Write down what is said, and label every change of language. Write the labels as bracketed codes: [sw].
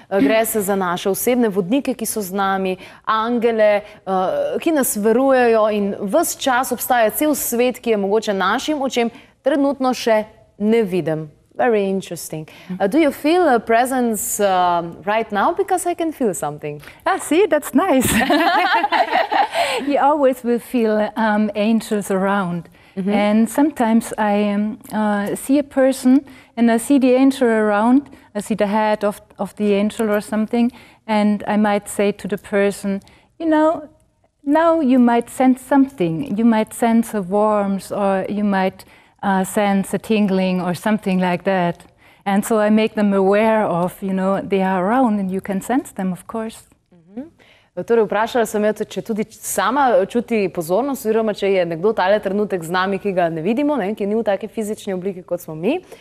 [sl] Gre se za naše osebne vodnike, ki so z nami, angele, ki nas verujejo in ves čas obstaja cel svet, ki je mogoče našim očem trenutno še ne vidim. [en] Very interesting. Do you feel a presence right now? Because I can feel something. Ah, see, that's nice. You always will feel angels around. And sometimes I see a person and I see the angel around. I see the head of the angel or something. And I might say to the person, you know, now you might sense something. You might sense a warmth or you might sense a tingling or something like that. And so I make them aware of, you know, they are around and you can sense them, of course. [sl] Torej, vprašala sem jo, če tudi sama čuti pozornost, oziroma če je nekdo tale trenutek z nami, ki ga ne vidimo, ne, ki ni v take fizični obliki, kot smo mi.